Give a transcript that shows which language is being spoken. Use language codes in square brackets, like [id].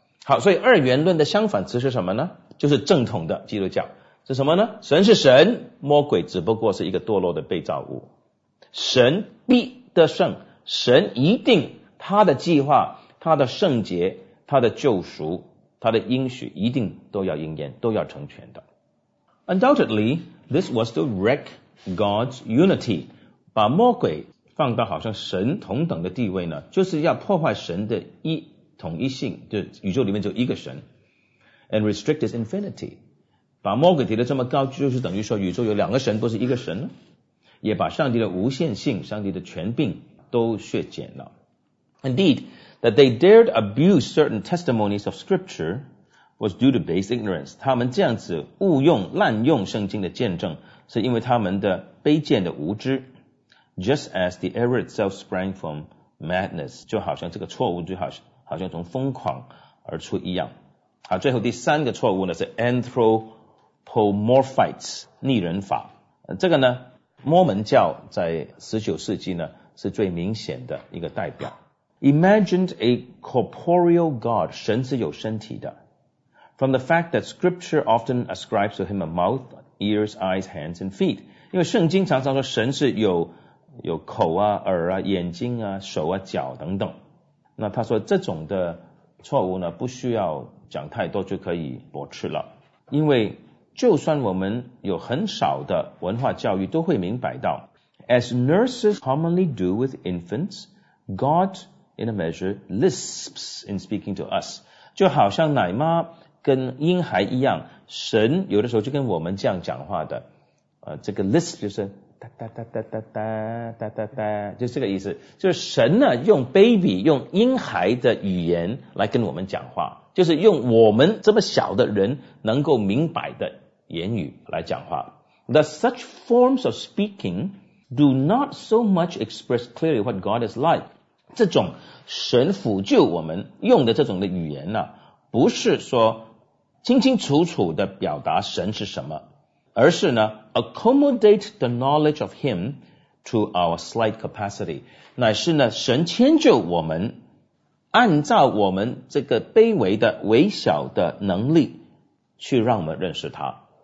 [zh] 好，所以二元论的相反词是什么呢？就是正统的基督教是什么呢？神是神，魔鬼只不过是一个堕落的被造物。神必得胜，神一定他的计划，他的圣洁，他的救赎，他的应许一定都要应验，都要成全的。 [en] UndoubtedlyThis was to wreck God's unity. [zh] 把魔鬼放到好像神同等的地位呢，就是要破坏神的一统一性，就宇宙里面只有一个神。 [en] And restrict his infinity. [zh] 把魔鬼提得这么高，就是等于说宇宙有两个神，不是一个神呢？也把上帝的无限性，上帝的权柄都削减了。 [en] Indeed, that they dared abuse certain testimonies of scripture,was due to base ignorance. [zh] 他们这样子误用滥用圣经的见证，是因为他们的卑贱的无知。 [en] Just as the error itself sprang from madness, [zh] 就好像这个错误就好像从疯狂而出一样。好，最后第三个错误呢是 anthropomorphites, 拟人法。这个呢摩门教在19世纪呢是最明显的一个代表。 [en] Imagined a corporeal God, [zh] 神是有身体的。 [en] From the fact that scripture often ascribes to him a mouth, ears, eyes, hands, and feet. [zh] 因为圣经常常说神是有口啊、耳啊、眼睛啊、手啊、脚等等。那他说这种的错误呢，不需要讲太多就可以驳斥了。因为就算我们有很少的文化教育，都会明白到 [en] ,as nurses commonly do with infants, God, in a measure, lisps in speaking to us. [zh] 就好像奶妈跟婴孩一样，神有的时候就跟我们这样讲话的，这个 lisp 就是哒哒哒哒哒哒哒哒哒，就这个意思，就是神呢用 baby 用婴孩的语言来跟我们讲话，就是用我们这么小的人能够明白的言语来讲话。 [en] that such forms of speaking do not so much express clearly what God is like. [zh] 这种神辅救我们用的这种的语言呢、啊、不是说清清楚楚的表达神是什么，而是呢 [en] accommodate the knowledge of him to our slight capacity， [zh] 乃是呢神迁就我们按照我们这个卑微的微小的能力去让我们认识他。